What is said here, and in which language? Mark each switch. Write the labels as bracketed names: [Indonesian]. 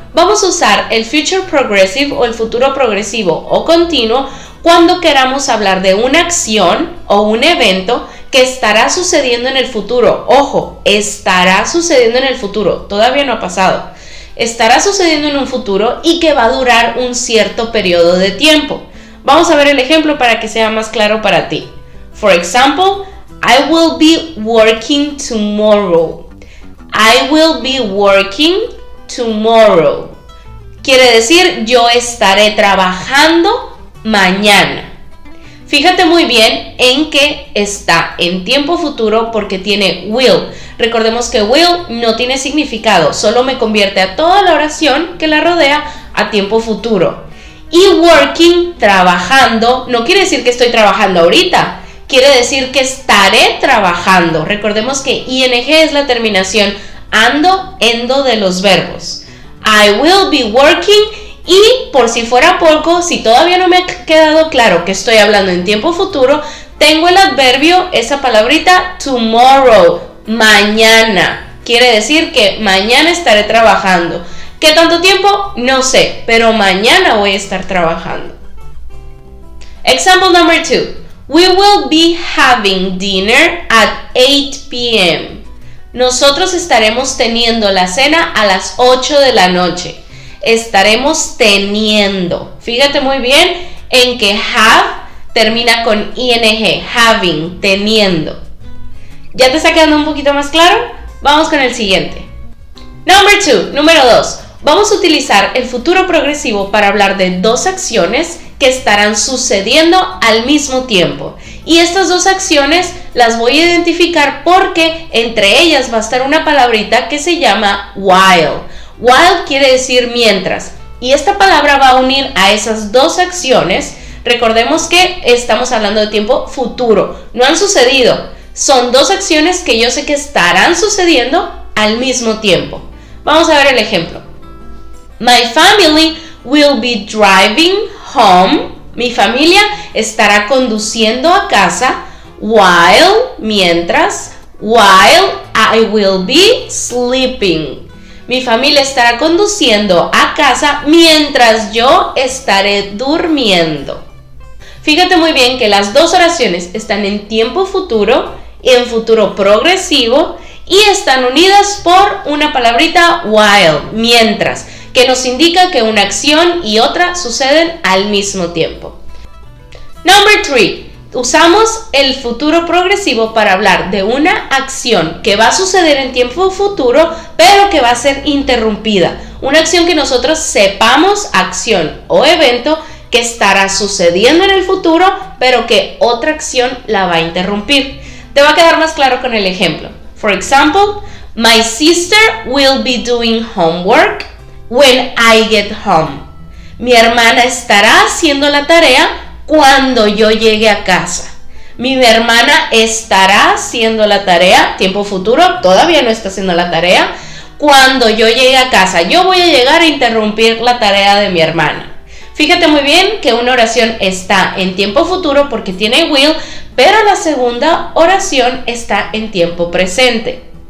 [Spanish] Vamos a usar el future progressive o el futuro progresivo o continuo cuando queramos hablar de una acción o un evento que estará sucediendo en el futuro. Ojo, estará sucediendo en el futuro. Todavía no ha pasado. Estará sucediendo en un futuro y que va a durar un cierto periodo de tiempo. Vamos a ver el ejemplo para que sea más claro para ti. [English] For example, I will be working tomorrow. I will be working tomorrow. [Spanish] Quiere decir, yo estaré trabajando mañana. Fíjate muy bien en que está en tiempo futuro porque tiene will. Recordemos que will no tiene significado, solo me convierte a toda la oración que la rodea a tiempo futuro. Y working, trabajando, no quiere decir que estoy trabajando ahorita, quiere decir que estaré trabajando. Recordemos que ing es la terminación ando, endo de los verbos. [English] I will be working. [Spanish] Y por si fuera poco, si todavía no me ha quedado claro que estoy hablando en tiempo futuro, tengo el adverbio, esa palabrita, tomorrow, mañana. Quiere decir que mañana estaré trabajando. ¿Qué tanto tiempo? No sé, pero mañana voy a estar trabajando. [English] Example number 2. We will be having dinner at 8 p.m. [Spanish] Nosotros estaremos teniendo la cena a las 8 de la noche. Estaremos teniendo. Fíjate muy bien en que have termina con ing, having, teniendo. ¿Ya te está quedando un poquito más claro? Vamos con el siguiente. Número 2. Vamos a utilizar el futuro progresivo para hablar de 2 acciones que estarán sucediendo al mismo tiempo. Y estas 2 acciones las voy a identificar porque entre ellas va a estar una palabrita que se llama while. While quiere decir mientras, y esta palabra va a unir a esas 2 acciones. Recordemos que estamos hablando de tiempo futuro, no han sucedido. Son 2 acciones que yo sé que estarán sucediendo al mismo tiempo. Vamos a ver el ejemplo. [English] My family will be driving home. [Spanish] Mi familia estará conduciendo a casa while, mientras, [English] while I will be sleeping. [Spanish] Mi familia estará conduciendo a casa mientras yo estaré durmiendo. Fíjate muy bien que las 2 oraciones están en tiempo futuro y en futuro progresivo y están unidas por una palabrita while, mientras, que nos indica que una acción y otra suceden al mismo tiempo. [English] Number 3. [Spanish] Usamos el futuro progresivo para hablar de una acción que va a suceder en tiempo futuro, pero que va a ser interrumpida. Una acción que nosotros sepamos, acción o evento, que estará sucediendo en el futuro, pero que otra acción la va a interrumpir. Te va a quedar más claro con el ejemplo. [English] For example, my sister will be doing homework when I get home. [Spanish] Mi hermana estará haciendo la tarea cuando yo llegue a casa. Mi hermana estará haciendo la tarea, tiempo futuro, todavía no está haciendo la tarea, cuando yo llegue a casa. Yo voy a llegar a interrumpir la tarea de mi hermana. Fíjate muy bien que una oración está en tiempo futuro porque tiene will, pero la segunda oración está en tiempo presente.